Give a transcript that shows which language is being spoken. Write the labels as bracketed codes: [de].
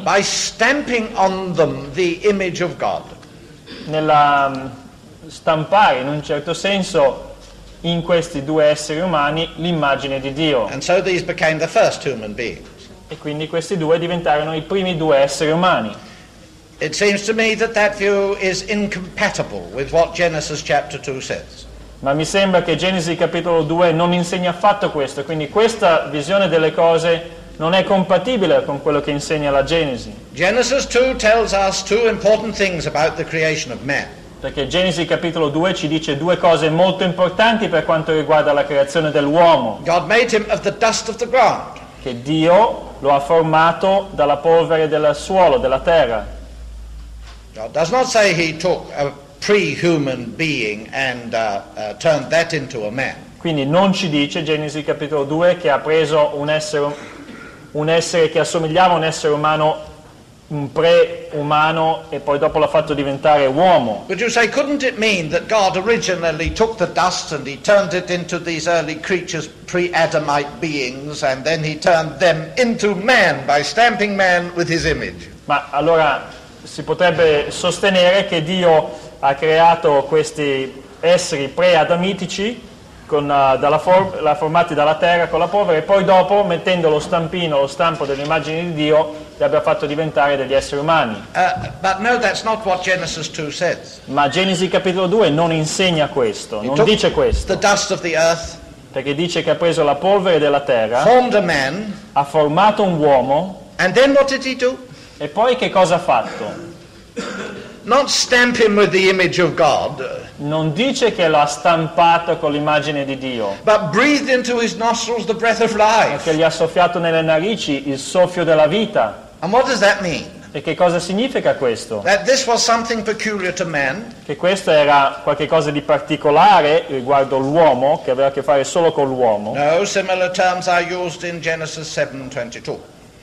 [en] By stamping on them the image of God. [it] Nella stampare in un certo senso in questi due esseri umani l'immagine di Dio. [en] And so these became the first human beings. [it] E quindi questi due diventarono i primi due esseri umani. [en] It seems to me that that view is incompatible with what Genesis chapter 2 says. [it] Ma mi sembra che Genesi capitolo 2 non insegna affatto questo, quindi questa visione delle cose non è compatibile con quello che insegna la Genesi. [en] Genesis 2 tells us two important things about the creation of man. [it] Perché Genesi capitolo 2 ci dice due cose molto importanti per quanto riguarda la creazione dell'uomo. [en] God made him of the dust of the ground. [it] Che Dio lo ha formato dalla polvere del suolo, della terra. [en] God does not say he took a pre-human being and turned that into a man. [it] Quindi non ci dice Genesi capitolo 2 che ha preso un essere che assomigliava a un essere umano, un pre-umano, e poi dopo l'ha fatto diventare uomo. [en] But you say, couldn't it mean that God originally took the dust and he turned it into these early creatures, pre-Adamite beings, and then he turned them into man by stamping man with his image? [it] Ma allora si potrebbe sostenere che Dio ha creato questi esseri pre-adamitici formati dalla terra con la polvere, e poi dopo, mettendo lo stampo dell'immagine di Dio, li abbia fatto diventare degli esseri umani. [en] But no, that's not what Genesis 2 says. [it] Ma Genesi capitolo 2 non insegna questo, non dice questo. [en] The dust of the earth, [it] perché dice che ha preso la polvere della terra, [en] formed a man, [it] ha formato un uomo, [en] and then what did he do? [it] E poi che cosa ha fatto? [en] Not stamp him with the image of God. [it] Non dice che l'ha stampato con l'immagine di Dio. [en] But breathed into his nostrils the breath of life. [it] Che gli ha soffiato nelle narici il soffio della vita. [en] And what does that mean? [it] E che cosa significa questo? [en] That this was something peculiar to man. [it] Che questo era qualcosa di particolare riguardo l'uomo, che aveva a che fare solo con l'uomo. [en] No, similar terms are used in Genesis 7:22.